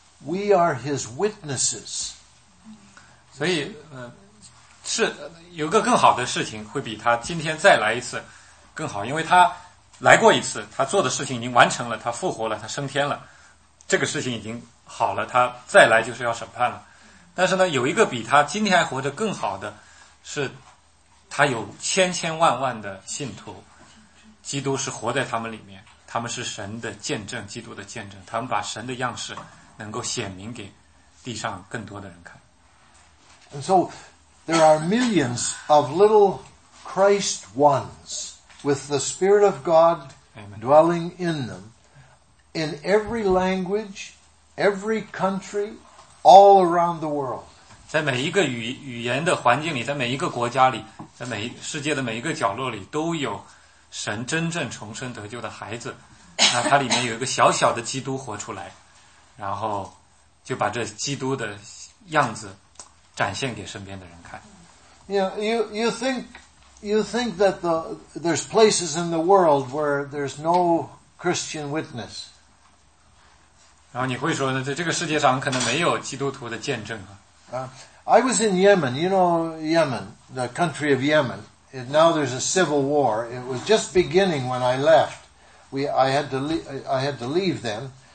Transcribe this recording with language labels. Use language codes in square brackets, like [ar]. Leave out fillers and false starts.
[en] We are his witnesses. [zh] 所以是有个更好的事情会比他今天再来一次更好，因为他来过一次，他做的事情已经完成了，他复活了，他升天了，这个事情已经好了，他再来就是要审判了。但是呢，有一个比他今天还活着更好的，是他有千千万万的信徒，基督是活在他们里面，他们是神的见证，基督的见证，他们把神的样式能够显明给地上更多的人看。 [en] And so there are millions of little Christ ones with the Spirit of God dwelling in them in every language, every country, all around the world. [zh] 在每一个 语言的环境里，在每一个国家里，在每世界的每一个角落里，都有神真正重生得救的孩子。那它里面有一个小小的基督活出来，然后就把这基督的样子展现给身边的人看。 [en] Yeah, you think that there's places in the world where there's no Christian witness. [zh] 然后你会说呢，在这个世界上可能没有基督徒的见证啊。 [en] I was in Yemen, you know Yemen, the country of Yemen. And now there's a civil war. It was just beginning when I left. I had to leave then.